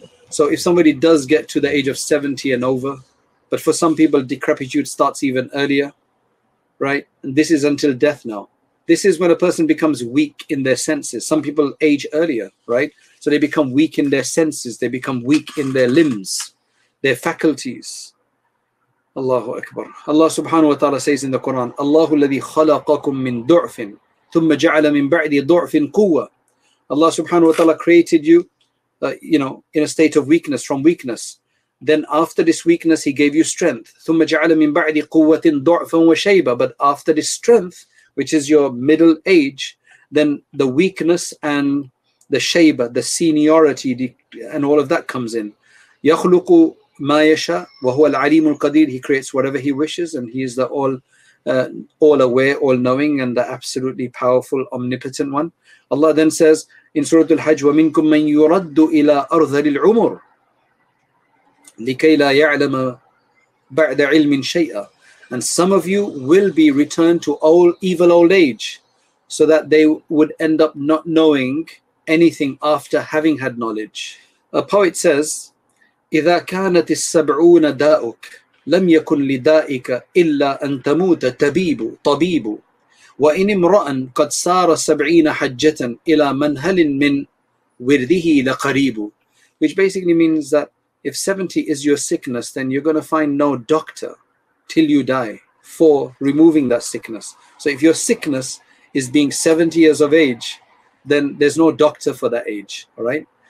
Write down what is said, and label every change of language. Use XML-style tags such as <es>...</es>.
<en>So if somebody does get to the age of 70 and over, but for some people, decrepitude starts even earlier, right? And this is until death now. This is when a person becomes weak in their senses. Some people age earlier, right? So they become weak in their senses. They become weak in their limbs, their faculties. Allahu Akbar. Allah subhanahu wa ta'ala says in the Quran,</en> <ar>Allahu الذي خلقكم من ضعف ثم جعل من بعد ضعف قوة.</ar> <en>Allah subhanahu wa ta'ala created you, in a state of weakness, from weakness. Then after this weakness, he gave you strength.</en> <ar>ثُمَّ جَعَلَ مِنْ بَعْدِ قُوَّةٍ ضُعْفًا وَشَيْبًا.</ar> <en>But after this strength, which is your middle age, then the weakness and the shayba, the seniority, and all of that comes in.</en> <ar>يَخْلُقُ مَا يَشَى وَهُوَ الْعَلِيمُ الْقَدِيرُ.</ar> <en>He creates whatever he wishes, and he is the all aware, all-knowing, and the absolutely powerful, omnipotent one. Allah then says in Surah Al-Hajj,</en> <ar>وَمِنْكُمْ مَنْ يُرَدُّ إِلَىٰ أَرْضَلِ الْعُمُرِ لِكَيْ لَا يَعْلَمَ بَعْدَ عِلْمٍ شَيْئًا.</ar> <en>And some of you will be returned to evil old age, so that they would end up not knowing anything after having had knowledge. A poet says,</en> <ar>إِذَا كَانَتِ السَّبْعُونَ دَاءُكَ لَمْ يَكُنْ لِدَائِكَ إِلَّا أَنْ تَمُوتَ طَبِيبُ وَإِنْ امْرَأً قَدْ سَارَ سَبْعِينَ حَجَّةً إِلَى مَنْهَلٍ مِّنْ وِرْدِهِ لَقَرِيبُ.</ar> <en>Which basically means that if 70 is your sickness, then you're going to find no doctor till you die for removing that sickness. So if your sickness is being 70 years of age, then there's no doctor for that age, all right?</en>